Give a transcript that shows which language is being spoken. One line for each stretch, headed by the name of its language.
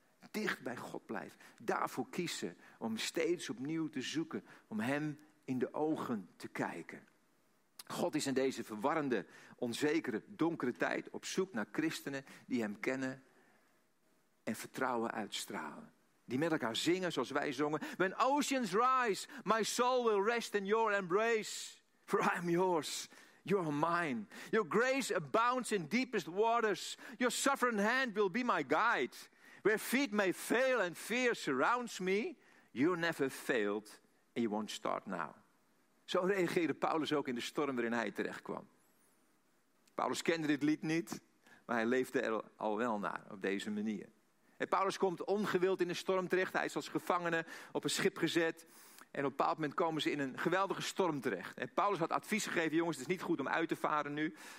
Dutch: Dicht bij God blijven. Daarvoor kiezen om steeds opnieuw te zoeken, om hem in de ogen te kijken. God is in deze verwarrende, onzekere, donkere tijd op zoek naar christenen die hem kennen en vertrouwen uitstralen. Die met elkaar zingen zoals wij zongen.
English: When oceans rise, my soul will rest in your embrace. For I am yours, you are mine. Your grace abounds in deepest waters. Your sovereign hand will be my guide. Where feet may fail and fear surrounds me, you never failed and you won't start now.
Dutch: Zo reageerde Paulus ook in de storm waarin hij terechtkwam. Paulus kende dit lied niet, maar hij leefde er al wel naar, op deze manier. En Paulus komt ongewild in de storm terecht. Hij is als gevangene op een schip gezet. En op een bepaald moment komen ze in een geweldige storm terecht. En Paulus had advies gegeven, jongens, het is niet goed om uit te varen nu.